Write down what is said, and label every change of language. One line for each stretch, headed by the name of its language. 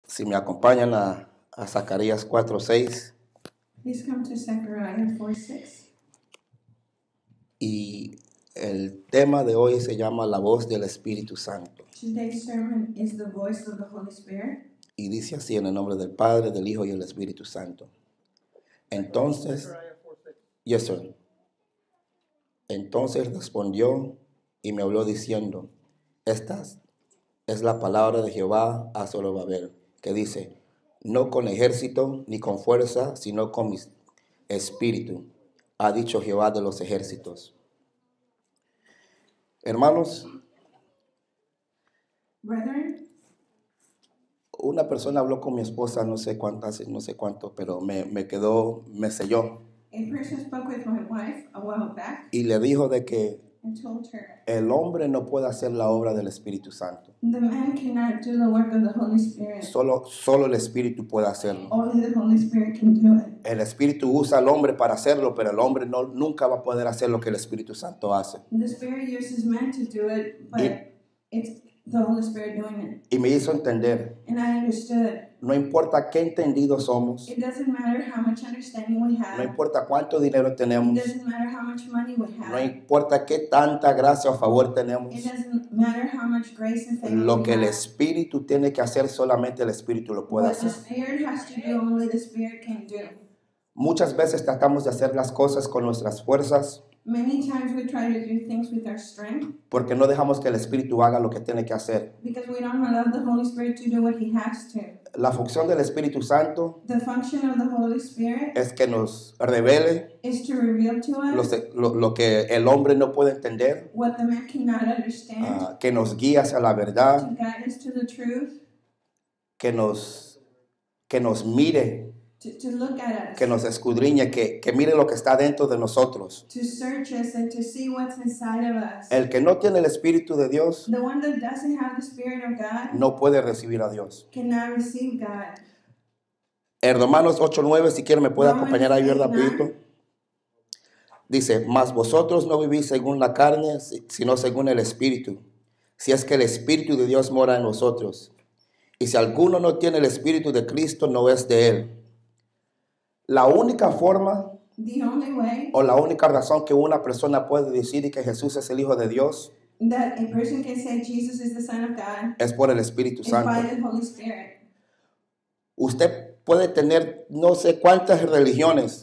Spanish: Si me acompañan a Zacarías 4:6.
English: Please come to Zechariah 4:6.
Spanish: Y el tema de hoy se llama La voz del Espíritu Santo.
English: Today's sermon is the voice of the Holy Spirit.
Spanish: Y dice así en el nombre del Padre, del Hijo y del Espíritu Santo. Entonces,
English: yes, sir.
Spanish: Entonces respondió y me habló diciendo, esta es la palabra de Jehová a Zorobabel, que dice, no con ejército ni con fuerza, sino con mi espíritu, ha dicho Jehová de los ejércitos. Hermanos,
English: Brethren,
Spanish: una persona habló con mi esposa, no sé cuántas, no sé cuánto, pero me selló.
English: a person spoke with my wife a while back
Spanish: Y le dijo de que
English: and told her,
Spanish: el hombre no puede hacer la obra del Espíritu Santo.
English: the man cannot do the work of the Holy Spirit.
Spanish: Solo el Espíritu puede hacerlo.
English: Only the Holy Spirit can do it.
Spanish: El Espíritu usa al hombre para hacerlo, pero el hombre no, nunca va a poder hacer lo que el Espíritu Santo hace.
English: The Spirit uses man to do it, but it's the Holy Spirit doing it.
Spanish: Y me hizo entender.
English: And I understood.
Spanish: No importa qué entendidos somos.
English: It doesn't matter how much understanding we have.
Spanish: No importa cuánto dinero tenemos.
English: It doesn't matter how much money we have.
Spanish: No importa qué tanta gracia o favor tenemos.
English: It doesn't matter how much grace and favor
Spanish: Lo
English: we
Spanish: que
English: have.
Spanish: el Espíritu tiene que hacer, solamente el Espíritu lo puede
English: What the
Spanish: hacer.
English: Spirit has to do, only the Spirit can do.
Spanish: Muchas veces tratamos de hacer las cosas con nuestras fuerzas.
English: Many times we try to do things with our strength.
Spanish: Porque no dejamos que el Espíritu haga lo que tiene que hacer.
English: Because we don't allow the Holy Spirit to do what he has to.
Spanish: La función del Espíritu Santo
English: the function of the Holy Spirit
Spanish: es que nos revele
English: is to reveal to us
Spanish: lo que el hombre no puede entender,
English: what the man cannot understand,
Spanish: que nos guíe hacia la verdad,
English: to guide us to the truth,
Spanish: que nos mire,
English: to look at us,
Spanish: que nos escudriñe, que mire lo que está dentro de nosotros.
English: To search us and to see what's inside of us.
Spanish: El que no tiene el Espíritu de Dios
English: the one that doesn't have the Spirit of God
Spanish: no puede recibir a Dios.
English: Cannot receive God.
Spanish: En Romanos 8:9, si quiere me puede
English: Romans
Spanish: acompañar ahí rapidito. Dice, mas vosotros no vivís según la carne, sino según el Espíritu. Si es que el Espíritu de Dios mora en nosotros. Y si alguno no tiene el Espíritu de Cristo, no es de él. La única forma
English: the only way,
Spanish: o la única razón que una persona puede decir que Jesús es el Hijo de Dios
English: that a person can say Jesus is the Son of God,
Spanish: es por el Espíritu Santo.
English: By the Holy Spirit.
Spanish: Usted puede tener no sé cuántas religiones,